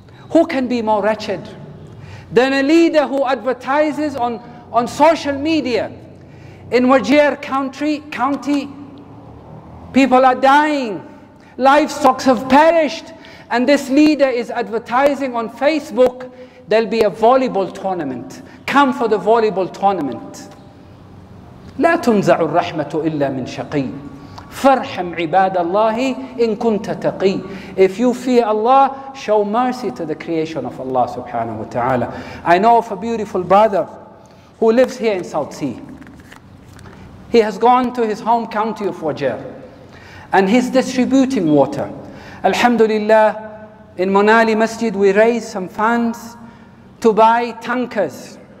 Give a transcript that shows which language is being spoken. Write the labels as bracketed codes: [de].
[en] Who can be more wretched than a leader who advertises on social media in Wajir County, people are dying, livestock have perished, and this leader is advertising on Facebook, there'll be a volleyball tournament. Come for the volleyball tournament. [ar] لا تنزع الرحمة إلا من شقي فرحم عباد الله إن كنت تقي. [en] If you fear Allah, show mercy to the creation of Allah subhanahu wa ta'ala. I know of a beautiful brother who lives here in South Sea. He has gone to his home county of Wajir and he's distributing water. Alhamdulillah, in Monali Masjid, we raised some funds to buy tankers.